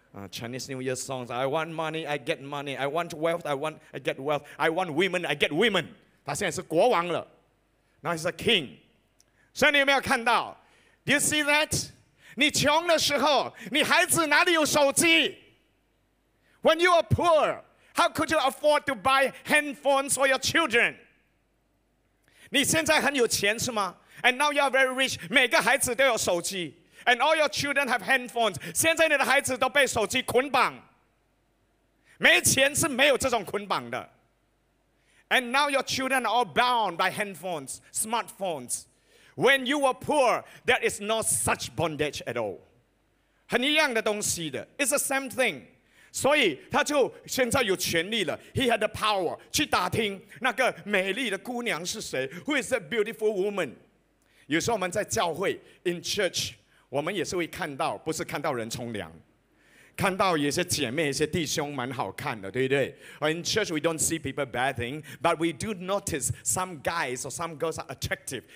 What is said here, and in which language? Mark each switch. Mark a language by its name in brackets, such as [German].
[English] Chinese New Year songs. I want money, I get money. I want wealth, I get wealth. I want women, I get women. [Chinese] 他现在是国王了 [English] Now he's a king. [Chinese] 所以你有没有看到 [English] Do you see that? [Chinese] 你穷的时候，你孩子哪里有手机？ [English] When you are poor, how could you afford to buy handphones for your children? [Chinese] 你现在很有钱是吗？ [English] And now you are very rich. [Chinese] 每个孩子都有手机。 [English] And all your children have handphones. [Chinese] 现在你的孩子都被手机捆绑。没钱是没有这种捆绑的。 [English] And now your children are all bound by handphones, smartphones. When you were poor, there is no such bondage at all. [Chinese] 很一样的东西的。 [English] It's the same thing. [Chinese] 所以他就现在有权利了。 [English] He had the power [Chinese] 去打听那个美丽的姑娘是谁。 [English] Who is that beautiful woman? [Chinese] 有时候我们在教会 in church,我们也是会看到，不是看到人冲凉，看到有些姐妹、一些弟兄蛮好看的，对不对 ？ [English] In church we don't see people bathing, but we do notice some guys or some girls are attractive.